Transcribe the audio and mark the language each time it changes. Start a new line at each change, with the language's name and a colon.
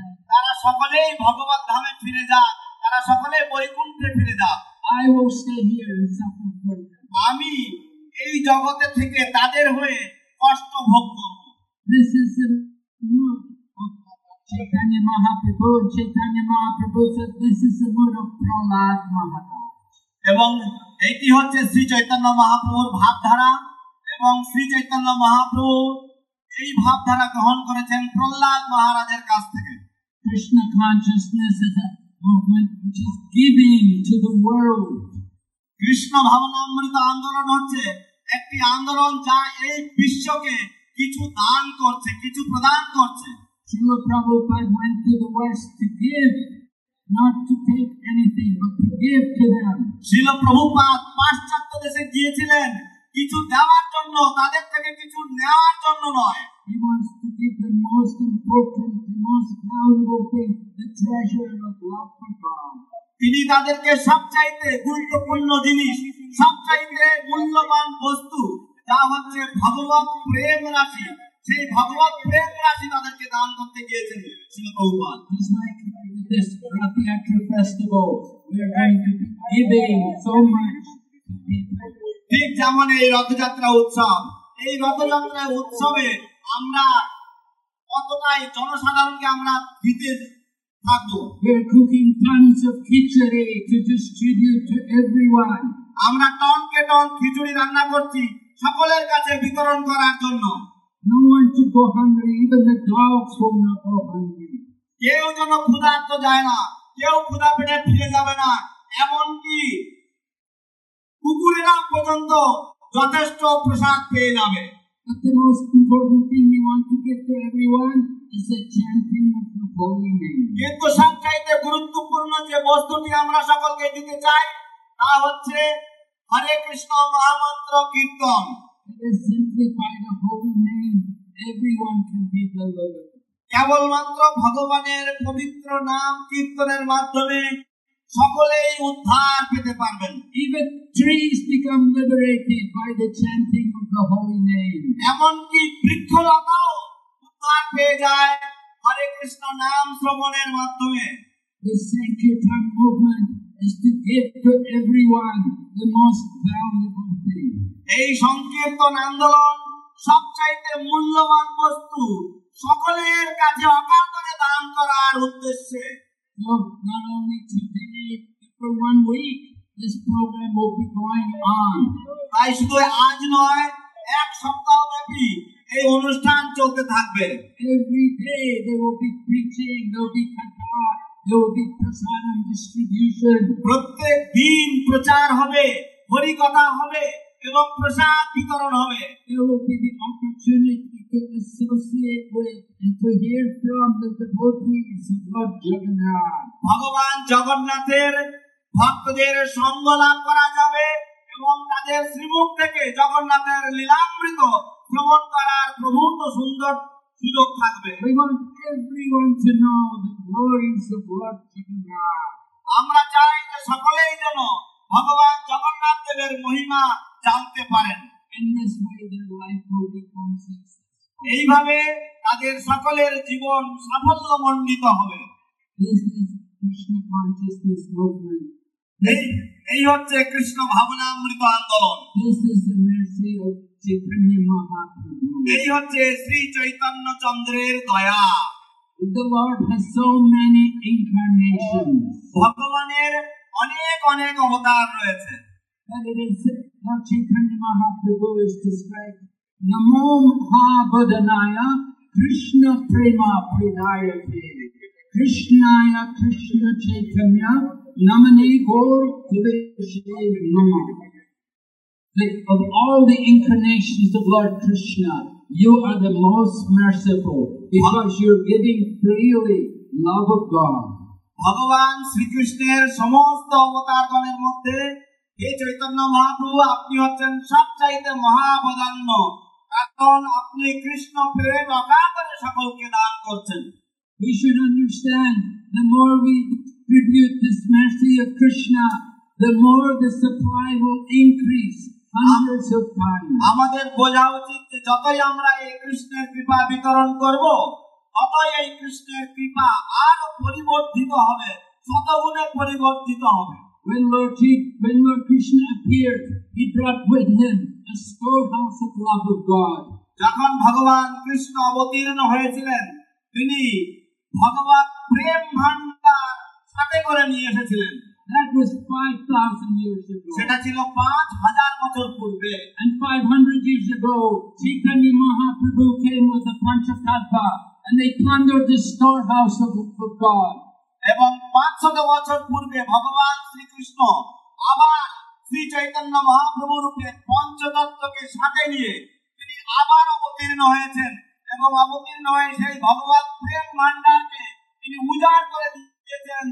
Bangla: তারা সকলেই ভগবত ধামে ফিরে যা, তারা সকলেই বৈকুণ্ঠে ফিরে যা.
English: I will stay here and suffer for them.
Bangla: আমি এই জগতে থেকে তাদের হয়ে কষ্ট ভোগ করব.
English: This is the mood of Chaitanya Mahaprabhu. Chaitanya Mahaprabhu said, this is the mood of Prahlad Maharaj.
Bangla: এবং এটি হচ্ছে শ্রী চৈতন্য মহাপ্রভুর ভাবধারা এবং শ্রী চৈতন্য মহাপ্রভু এই ভাবধারা গ্রহণ করেছেন প্রহ্লাদ মহারাজের কাছ থেকে.
English: Krishna consciousness is a movement which is giving to the world.
Bangla: Krishna ভাবনা অমৃত আন্দোলন হচ্ছে একটি আন্দোলন যা এই বিশ্বকে কিছু দান করছে, কিছু প্রদান করছে.
English: Srila Prabhupada went to the west to give not to take anything but to give to them.
Bangla: Srila Prabhupada পাশ্চাত্য দেশে গিয়েছিলেন কিছু দেওয়ার জন্য, তাদের থেকে কিছু নেওয়ার জন্য নয়.
English: He wants to give the most important, the most valuable thing, the treasure of love for God.
Bangla: তিনি তাদেরকে সবচাইতে গুরুত্বপূর্ণ জিনিস, সবচাইতে মূল্যবান বস্তু তা হচ্ছে ভগবত প্রেম রাশি, সেই ভগবত প্রেম রাশি তাদেরকে দান করতে গিয়েছেন Srila Prabhupada.
English: This like with this Ratiyatra festival, we are going to be giving so much.
Bangla: ঠিক যেমন এই রথযাত্রা উৎসব, এই রথযাত্রা উৎসবে আমরা কতটাই জনসাধারণকে আমরা দিতে
English: We're cooking tons of khichdi to distribute to everyone.
Bangla: আমরা টন কে টন খিচুড়ি রান্না করছি সকলের কাছে বিতরণ করার জন্য.
English: No one should go hungry, even the dogs will not go hungry.
Bangla: কেউ যেন ক্ষুধার্ত যায় না, কেউ ক্ষুধা পেটে ফিরে যাবে না, এমনকি কুকুরেরা পর্যন্ত যথেষ্ট প্রসাদ পেয়ে যাবে.
English: But the most important thing we want to give to everyone is the chanting of the holy name.
Bangla: কিন্তু সবচাইতে গুরুত্বপূর্ণ যে বস্তুটি আমরা সকলকে দিতে চাই তা হচ্ছে হরে কৃষ্ণ মহামন্ত্র কীর্তন.
English: It is simply by the holy name everyone can be delivered.
Bangla: কেবলমাত্র ভগবানের পবিত্র নাম কীর্তনের মাধ্যমে সকলেই উদ্ধার পেতে পারবেন.
English: Even trees become liberated by the chanting of the holy name.
Bangla: এমনকি বৃক্ষলতাও উদ্ধার পেয়ে যায় হরে কৃষ্ণ নাম শ্রবণের মাধ্যমে.
English: This sankirtan movement is to give to everyone the most valuable thing.
Bangla: এই সংকীর্তন আন্দোলন সবচাইতে মূল্যবান বস্তু সকলের কাছে অকাতরে দান করার উদ্দেশ্যে.
English: So not only today, but for 1 week, this program will be going on.
Bangla: তাই শুধু আজ নয়, এক সপ্তাহ ব্যাপী এই অনুষ্ঠান চলতে থাকবে.
English: Every day they will be preaching, they will be katha, there will be prasad and distribution.
Bangla: প্রত্যেক দিন প্রচার হবে, হরি কথা হবে এবং প্রসাদ বিতরণ হবে.
English: There will be the opportunity to associate with and to hear from the devotees of Lord Jagannath.
Bangla: ভগবান জগন্নাথের ভক্তদের সঙ্গ লাভ করা যাবে এবং তাদের শ্রীমুখ থেকে জগন্নাথের লীলামৃত শ্রবণ করার প্রভূত সুন্দর সুযোগ থাকবে.
English: We want everyone to know the glories of Lord Jagannath.
Bangla: আমরা চাই যে সকলেই যেন ভগবান জগন্নাথ দেবের মহিমা জানতে পারেন.
English: In this way their life will be consistent.
Bangla: এইভাবে তাদের সকলের জীবন সাফল্য মণ্ডিত হবে.
English: This is Krishna consciousness movement.
Bangla: এই হচ্ছে কৃষ্ণ ভাবনামৃত আন্দোলন.
English: This is the mercy of Chaitanya Mahaprabhu.
Bangla: এই হচ্ছে শ্রী চৈতন্য চন্দ্রের দয়া.
English: The Lord has so many incarnations.
Bangla: ভগবানের অনেক অনেক অবতার রয়েছে.
English: And it is Lord Chaitanya Mahaprabhu is described
Sanskrit: Namo Mahabodhanaya Krishna Prema Pridayate Krishnaya Krishna Chaitanya Namane Gaur Divishe Namo.
English: Of all the incarnations of Lord Krishna, you are the most merciful because you are giving freely love of God.
Bangla: Bhagavan Sri Krishna's samast avatar ganer moddhe হে চৈতন্য মহাপ্রভু আপনি হচ্ছেন সবচাইতে মহাপ্রাধান্য, কারণ আপনি কৃষ্ণ প্রেম অকাতরে সকলকে দান করছেন.
English: We should understand the more we tribute this mercy of Krishna, the more the supply will increase hundreds of times.
Bangla: আমাদের বোঝা উচিত যে যতই আমরা এই কৃষ্ণের কৃপা বিতরণ করব, ততই এই কৃষ্ণের কৃপা আরো পরিবর্তিত হবে, শতগুণে পরিবর্তিত হবে.
English: When Lord Krishna appeared, he brought with him a storehouse of love of God.
Bangla: যখন ভগবান কৃষ্ণ অবতীর্ণ হয়েছিলেন, তিনি ভগবান প্রেম ভান্ডার সাথে করে নিয়ে এসেছিলেন.
English: That was 5,000 years ago.
Bangla: সেটা ছিল 5,000 বছর পূর্বে.
English: And 500 years ago, Chaitanya Mahaprabhu came with a panchakalpa and they plundered the storehouse of God.
Bangla: এবং 500 বছর পূর্বে ভগবান শ্রীকৃষ্ণ আবার শ্রী চৈতন্য মহাপ্রভু রূপে পঞ্চতত্ত্বকে সাথে নিয়ে তিনি আবার অবতীর্ণ হয়েছেন এবং অবতীর্ণ হয়ে সেই ভগবান প্রেম ভান্ডারকে তিনি উজাড় করে দিয়েছেন.